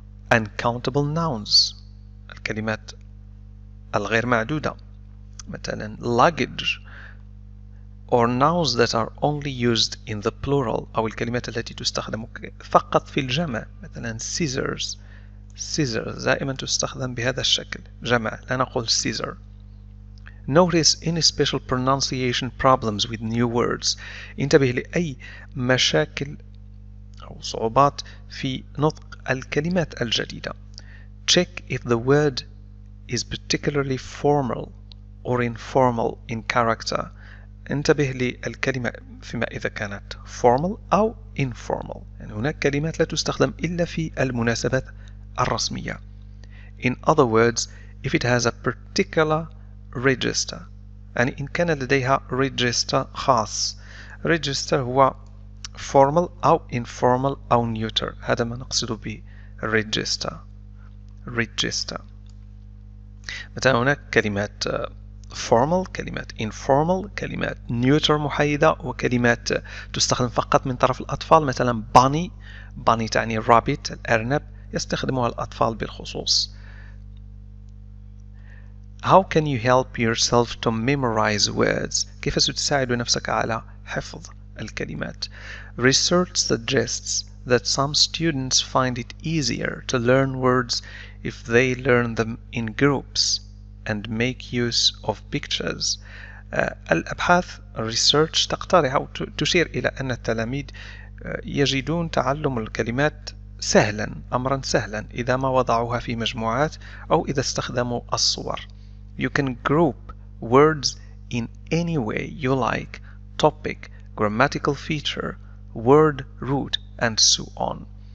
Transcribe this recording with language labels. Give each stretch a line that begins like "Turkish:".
English: Uncountable nouns,
Arabic: الكلمات الغير معدودة,
English: مثلا luggage, or nouns that are only used in the plural,
Arabic: أو الكلمات التي تستخدم فقط في الجمع,
English: مثلا scissors.
Arabic: Scissors دائما تستخدم بهذا الشكل جمع, لا نقول scissor.
English: Notice any special pronunciation problems with new words.
Arabic: انتبه لأي مشاكل أو صعوبات في نطق الكلمات الجديدة.
English: Check if the word is particularly formal or informal in character.
Arabic: انتبه للكلمة فيما إذا كانت formal أو informal, يعني هناك كلمات لا تستخدم إلا في المناسبات الرسمية.
English: In other words, if it has a particular register,
Arabic: يعني إن كان لديها register خاص. Register هو formal أو informal أو neuter, هذا ما نقصد به register. Register مثلا هناك كلمات formal, كلمات informal, كلمات neuter محايدة, وكلمات تستخدم فقط من طرف الأطفال, مثلا bunny. Bunny تعني rabbit, الأرنب, يستخدمها الأطفال بالخصوص.
English: How can you help yourself to memorize words?
Arabic: كيف ستساعد نفسك على حفظ الكلمات؟
English: Research suggests that some students find it easier to learn words if they learn them in groups and make use of pictures.
Arabic: الأبحاث research تقترح أو تشير إلى أن التلاميذ يجدون تعلم الكلمات سهلا, أمرا سهلا, إذا ما وضعوها في مجموعات أو إذا استخدموا الصور.
English: You can group words in any way you like, topic, grammatical feature, word root, and so on.